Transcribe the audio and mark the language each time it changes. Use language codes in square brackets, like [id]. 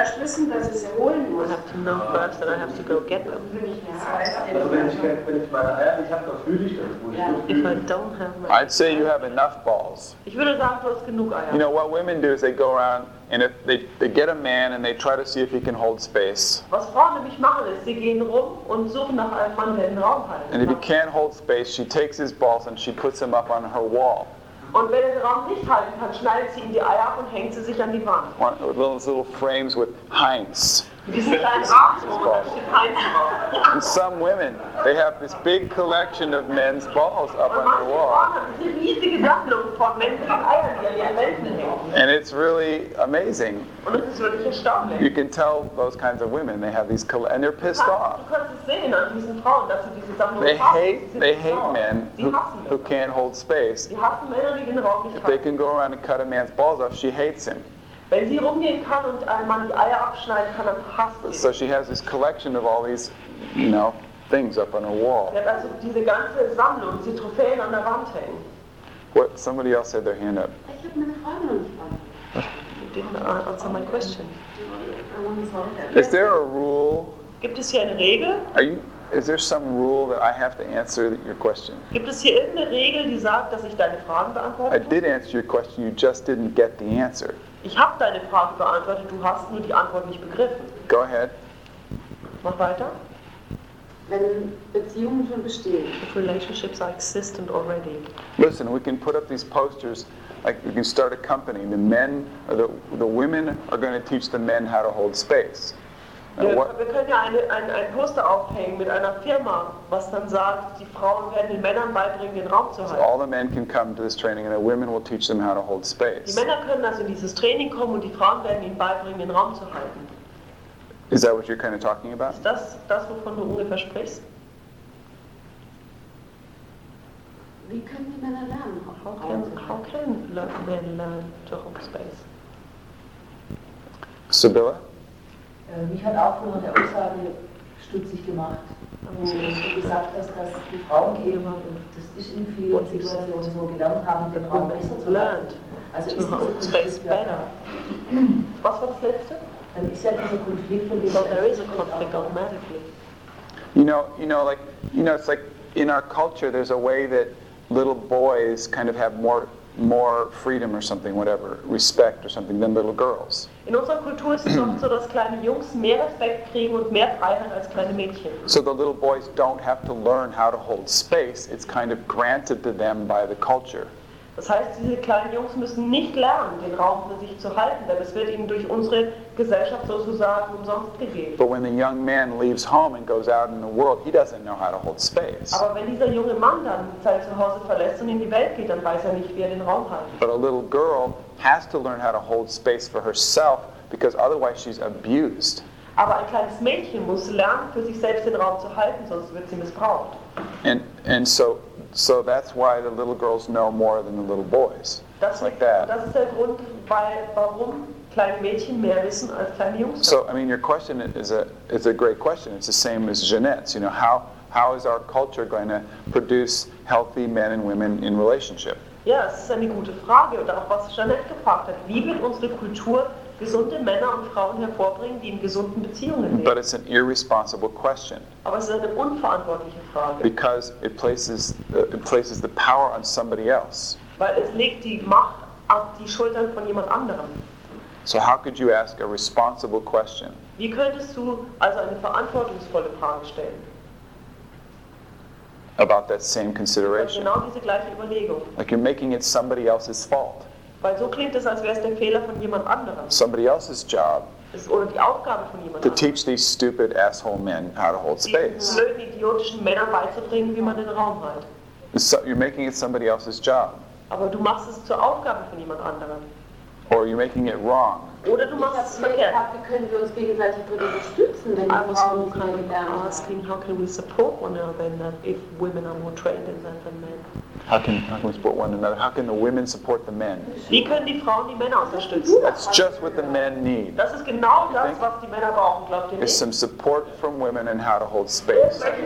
[en] I have to know first that I have to go get them. If I don't have my... I'd say you have enough balls. You know, what women do is they go around and if they get a man and they try to see if he can hold space. [de] Was Frauen nämlich machen ist, sie gehen rum und suchen nach einem Mann, der den Raum halten. [en] And if he can't hold space, she takes his balls and she puts them up on her wall. [de] Und wenn er den Raum nicht halten kann, schneidet sie ihm die Eier ab und hängt sie sich an die Wand. [en] Little frames with Heinz. [de] Diese kleinen Rahmen, wo man steht Heinz drauf. [en] And some women, they have this big collection of men's balls up on the wall. [de] Und manche Frauen haben diese riesige Sammlung von männlichen Eiern, die an ihren Wänden hängen. [en] And it's really amazing. [de] Und das ist wirklich erstaunlich. [en] You can tell those kinds of women, they have these and they're pissed off. [de] Du kannst es sehen an diesen Frauen, dass sie diese Sammlung haben. [en] They hate men who can't hold space. [de] Die hassen Männer, die den Raum nicht halten. [en] If they can go around and cut a man's balls off, she hates him. [de] Wenn sie rumgehen kann und ein Mann die Eier abschneiden kann, dann hasst sie. [en] So she has this collection of all these, you know, things up on her wall. [de] Sie hat also diese ganze Sammlung, diese Trophäen an der Wand hängen. [en] What? Somebody else had their hand up. [de] Ich habe eine Frage an dich. [en] You didn't answer my question. Is there a rule? [de] Gibt es hier eine Regel? [en] Is there some rule that I have to answer your question? [de] Gibt es hier irgendeine Regel, die sagt, dass ich deine Fragen beantworte? [en] I did answer your question, you just didn't get the answer. [de] Ich habe deine Frage beantwortet, du hast nur die Antwort nicht begriffen. [en] Go ahead. [de] Mach weiter. Wenn Beziehungen schon bestehen. [en] If relationships are existent already. Listen, we can put up these posters, like we can start a company. The men, or the women are going to teach the men how to hold space. [de] Wir können ja ein Poster aufhängen mit einer Firma, was dann sagt, die Frauen werden den Männern beibringen, den Raum zu halten. [en] So all the men can come to this training and the women will teach them how to hold space. [de] Die Männer können also in dieses Training kommen und die Frauen werden ihnen beibringen, den Raum zu halten. [en] Is that what you're kind of talking about? [de] Ist das das, wovon du ungefähr sprichst? Wie können die Männer lernen? [en] How can men learn to hold space? Sibylla? [de] Mich hat auch von der Aussage stutzig gemacht, wo du gesagt hast, dass die Frauen gehen und das ist in vielen Situationen so gelernt haben, den Raum besser zu lernen. Also ist das [en] Space better. [de] Was war das Letzte? Dann ist ja dieser Konflikt von dem, [en] there is a conflict automatically. You know, it's like in our culture, there's a way that little boys kind of have more freedom or something, whatever, respect or something, than little girls. [de] In unserer Kultur ist es oft so, dass kleine Jungs mehr Respekt kriegen und mehr Freiheit als kleine Mädchen. [en] So the little boys don't have to learn how to hold space. It's kind of granted to them by the culture. [de] Das heißt, diese kleinen Jungs müssen nicht lernen, den Raum für sich zu halten, denn es wird ihnen durch unsere Gesellschaft sozusagen umsonst gegeben. [en] But when the young man leaves home and goes out in the world, he doesn't know how to hold space. [de] Aber wenn dieser junge Mann dann sein Zuhause verlässt und in die Welt geht, dann weiß er nicht, wie er den Raum hat. [en] But a little girl has to learn how to hold space for herself, because otherwise she's abused. [de] Aber ein kleines Mädchen muss lernen, für sich selbst den Raum zu halten, sonst wird sie missbraucht. [en] And so that's why the little girls know more than the little boys. [de] Das [en] like that. [de] Das ist der Grund, warum kleine Mädchen mehr wissen als kleine Jungs. [en] So, I mean, your question is a great question. It's the same as Jeanette's. You know, how is our culture going to produce healthy men and women in relationship? [de] Ja, das ist eine gute Frage. Und auch was Jeanette gefragt hat. Wie wird unsere Kultur gesunde Männer und Frauen hervorbringen, die in gesunden Beziehungen leben? [en] But it's an irresponsible question. [de] Aber es ist eine unverantwortliche Frage. [en] Because it places the power on somebody else. [de] Weil es legt die Macht auf die Schultern von jemand anderem. [en] So how could you ask a responsible question? [de] Wie könntest du also eine verantwortungsvolle Frage stellen? [en] About that same consideration. [de] Genau diese gleiche Überlegung. [en] Like you're making it somebody else's fault. [de] Weil so klingt es, als wäre es der Fehler von jemand anderem. [en] Somebody else's job. [de] Oder die Aufgabe von jemand anderem. [en] To teach these stupid asshole men how to hold space. [de] Diesen blöden, idiotischen Männern beizubringen, wie man den Raum hält. [en] So you're making it somebody else's job. [de] Aber du machst es zur Aufgabe von jemand anderem. [en] Or you're making it wrong. [de] Oder du machst es verkehrt. Wie können wir uns gegenseitig unterstützen, wenn die Frauen keine Lernen? [en] I was asking, how can we support one another then, if women are more trained in that than men? How can we support one another? How can the women support the men? [de] Wie können die Frauen die Männer unterstützen? [en] That's just what the men need. [de] Das ist genau das, was die Männer brauchen, glaubt ihr nicht? [en] Is some support from women and how to hold space.